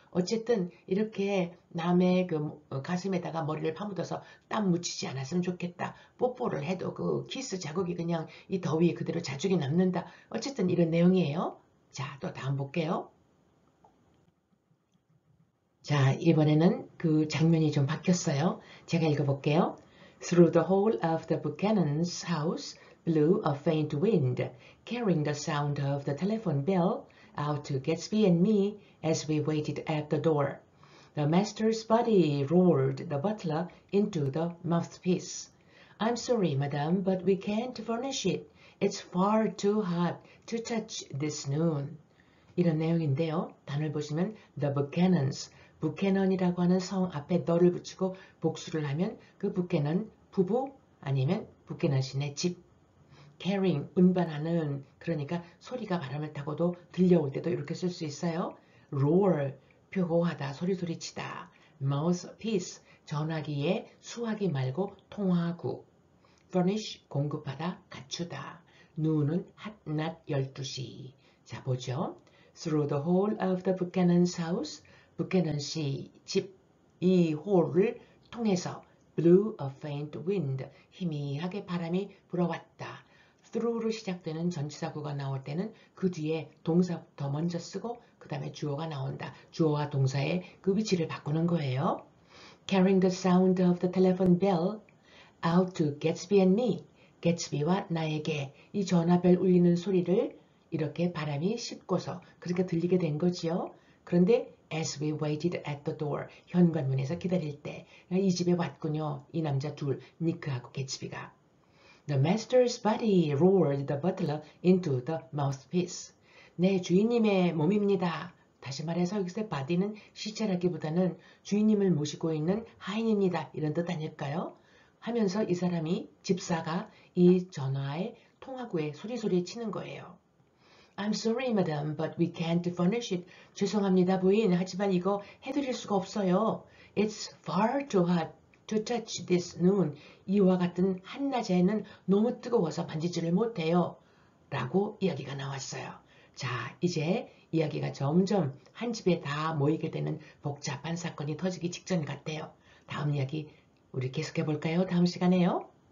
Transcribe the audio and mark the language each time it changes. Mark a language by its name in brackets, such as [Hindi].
[Korean] 어쨌든 이렇게 남의 가슴에다가 머리를 파묻어서 땀 묻히지 않았으면 좋겠다. 뽀뽀를 해도 그 키스 자국이 그냥 이 더위에 그대로 자주게 남는다. 어쨌든 이런 내용이에요. 자, 또 다음 볼게요. 자, 이번에는 그 장면이 좀 바뀌었어요. 제가 읽어볼게요. [English] Through the hall of the Buchanan's house blew a faint wind, carrying the sound of the telephone bell out to Gatsby and me as we waited at the door. The master's body roared the butler into the mouthpiece. I'm sorry, madam, but we can't furnish it. It's far too hot to touch this noon. [Korean] 이런 내용인데요. 단을 보시면 The Buchanan's. 부캐넌이라고 하는 성 앞에 너를 붙이고 복수를 하면 그 부캐넌 부부 아니면 부캐넌 씨네 집. carrying, 운반하는, 그러니까 소리가 바람을 타고도 들려올 때도 이렇게 쓸수 있어요. roar, 표고하다, 소리소리치다. mouthpiece, 전화기에 수화기 말고 통화구. furnish, 공급하다, 갖추다. noon은 hot, not 12시. 자, 보죠. [English] through the whole of the Buchanan's house, [Korean] 부캐넌 씨집이 홀을 통해서 [English] blew a faint wind, [Korean] 희미하게 바람이 불어왔다. through로 시작되는 전치사구가 나올 때는 그 뒤에 동사부터 먼저 쓰고 그 다음에 주어가 나온다. 주어와 동사의 그 위치를 바꾸는 거예요. [English] carrying the sound of the telephone bell out to Gatsby and me. [Korean] Gatsby와 나에게 이 전화벨 울리는 소리를 이렇게 바람이 싣고서 그렇게 들리게 된 거지요. 그런데 [English] As we waited at the door, [Korean] 현관문에서 기다릴 때, 이 집에 왔군요. 이 남자 둘, 니크하고 개츠비가. [English] The master's body roared the butler into the mouthpiece. [Korean] 내 주인님의 몸입니다. 다시 말해서 여기서 body는 시체라기보다는 주인님을 모시고 있는 하인입니다. 이런 뜻 아닐까요? 하면서 이 사람이, 집사가 이 전화의 통화구에 소리소리 치는 거예요. [English] I'm sorry, madam, but we can't furnish it. [Korean] 죄송합니다, 부인. 하지만 이거 해드릴 수가 없어요. [English] It's far too hot to touch this noon. [Korean] 이와 같은 한낮에는 너무 뜨거워서 만지지를 못해요. 라고 이야기가 나왔어요. 자, 이제 이야기가 점점 한 집에 다 모이게 되는 복잡한 사건이 터지기 직전 같아요. 다음 이야기 우리 계속해 볼까요? 다음 시간에요.